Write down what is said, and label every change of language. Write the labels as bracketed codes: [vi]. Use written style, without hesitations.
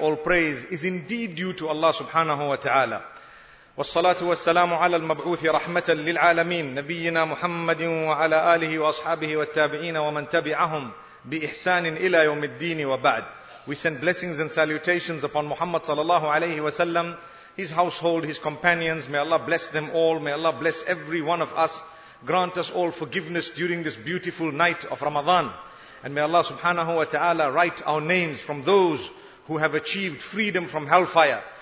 [en] All praise is indeed due to Allah subhanahu wa ta'ala. [ar] والصلاة والسلام على المبعوث رحمة للعالمين نبينا محمد وعلى آله وأصحابه والتابعين ومن تبعهم بإحسان إلى يوم الدين وبعد. [en] We send blessings and salutations upon Muhammad sallallahu alayhi wa sallam, his household, his companions. May Allah bless them all. May Allah bless every one of us. Grant us all forgiveness during this beautiful night of Ramadan. And may Allah subhanahu wa ta'ala write our names from those who have achieved freedom from hellfire.